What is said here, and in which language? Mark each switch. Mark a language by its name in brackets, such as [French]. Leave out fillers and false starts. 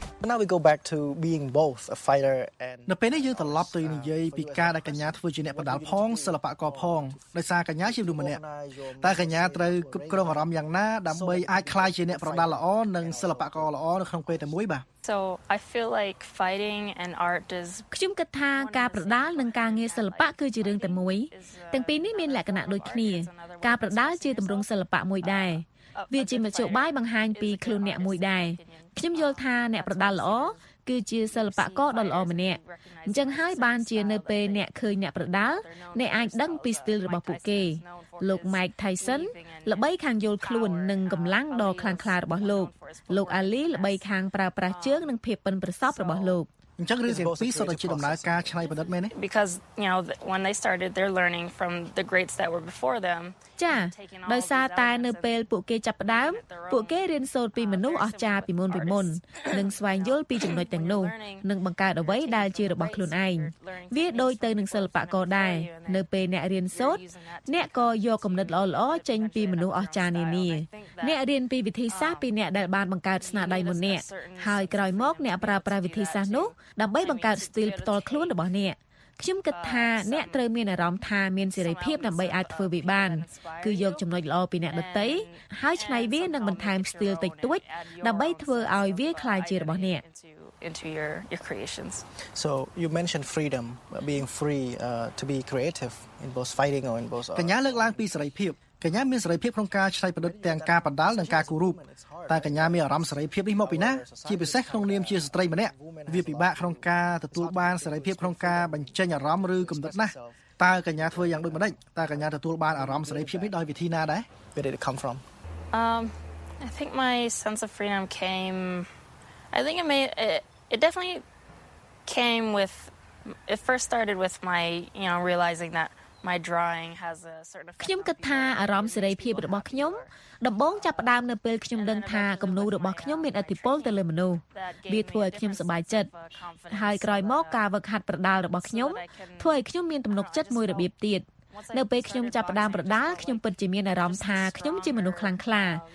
[English] Now we go back to being both a fighter and [Khmer] នៅពេលនេះយើងត្រឡប់ទៅនិយាយពីការដែលកញ្ញាធ្វើជាអ្នកប្រដាល់ផងសិល្បករផងដោយសារកញ្ញាជាមនុស្សម្នាក់តើកញ្ញាត្រូវគ្រប់គ្រងអារម្មណ៍យ៉ាងណាដើម្បីអាចក្លាយជាអ្នកប្រដាល់ល្អនិងសិល្បករល្អនៅក្នុងពេលតែមួយបាទ [English] So I feel like fighting and art is [Khmer] ខ្ញុំគិតថាការប្រដាល់និងការងារសិល្បៈគឺជារឿងតែមួយទាំងពីរនេះមានលក្ខណៈដូចគ្នាការប្រដាល់ជាទម្រង់សិល្បៈមួយដែរវាជាមធ្យោបាយបង្ហាញពីខ្លួនអ្នកមួយដែរខ្ញុំយល់ថាអ្នកប្រដាល់ល្អគឺជាសិល្បករដ៏ល្អម្នាក់អញ្ចឹងហើយបានជានៅពេលអ្នកឃើញអ្នកប្រដាល់អ្នកអាចដឹងពីស្ទីលរបស់ពួកគេលោក Mike Tyson ល្បីខាងយល់ខ្លួននិងកម្លាំងដ៏ខ្លាំងក្លារបស់លោក Ali ល្បីខាងប្រើប្រាស់ជើងនិងភាពប៉ិនប្រសប់របស់លោក អញ្ចឹងរឿងទាំងពីរសុទ្ធតែជាដំណើរការឆ្នៃប្រឌិតមែនទេ [English] Because you know when they started they're learning from the greats that were before them [Khmer] ចា៎ដោយសារតែនៅពេលពួកគេចាប់ផ្ដើមពួកគេរៀនសូត្រពីមនុស្សអស្ចារ្យពីមុនពីមុននិងស្វែងយល់ពីចំណុចទាំងនោះនិងបង្កើតអ្វីដែលជារបស់ខ្លួនឯង វាដូចទៅនឹងសិល្បៈក៏ដែរនៅពេលអ្នករៀនសូត្រអ្នកក៏យកគំនិតល្អល្អចេញពីមនុស្សអស្ចារ្យនានាអ្នករៀនពីវិធីសាស្ត្រពីអ្នកដែលបានបង្កើតស្នាដៃមុនអ្នកហើយក្រោយមកអ្នកប្រើប្រាស់វិធីសាស្ត្រនោះដើម្បីបង្កើតស្ទីលផ្ទាល់ខ្លួនរបស់អ្នកខ្ញុំគិតថាអ្នកត្រូវមានអារម្មណ៍ថាមានសេរីភាពដើម្បីអាចធ្វើវាបានគឺយកចំណុចល្អពីអ្នកដទៃហើយច្នៃវានិងបន្ថែមស្ទីលតិចតួចដើម្បីធ្វើឲ្យវាខ្លាំងជារបស់អ្នក [English] into your creations. So you mentioned freedom being free to be creative in both fighting or in both [Khmer] កញ្ញាលើកឡើងពីសេរីភាពកញ្ញាមានសេរីភាពក្នុងការច្នៃប្រឌិតទាំងការបដាលនិងការគូររូបតែកញ្ញាមានអារម្មណ៍សេរីភាពនេះមកពីណាជាពិសេសក្នុងនាមជាស្ត្រីម្នាក់វាពិបាកក្នុងការទទួលបានសេរីភាពក្នុងការបញ្ចេញអារម្មណ៍ឬគំនិតណាស់តើកញ្ញាធ្វើយ៉ាងដូចម្តេចតើកញ្ញាទទួលបានអារម្មណ៍សេរីភាពនេះដោយវិធីណាដែរ [English] Where did it come from? I think my sense of freedom came realizing that my drawing has a certain effect [Khmer] ខ្ញុំគិតថាអារម្មណ៍សេរីភាពរបស់ខ្ញុំដំបូងចាប់ផ្ដើមនៅពេលខ្ញុំដឹងថាគំនូររបស់ខ្ញុំមានឥទ្ធិពលទៅលើមនុស្សវាធ្វើឲ្យខ្ញុំសប្បាយចិត្តហើយក្រោយមកការវឹកហាត់ប្រដាល់របស់ខ្ញុំធ្វើឲ្យខ្ញុំមានទំនុកចិត្តមួយរបៀបទៀតនៅពេលខ្ញុំចាប់ផ្ដើមប្រដាល់ខ្ញុំពិតជាមានអារម្មណ៍ថាខ្ញុំជាមនុស្សខ្លាំងក្លា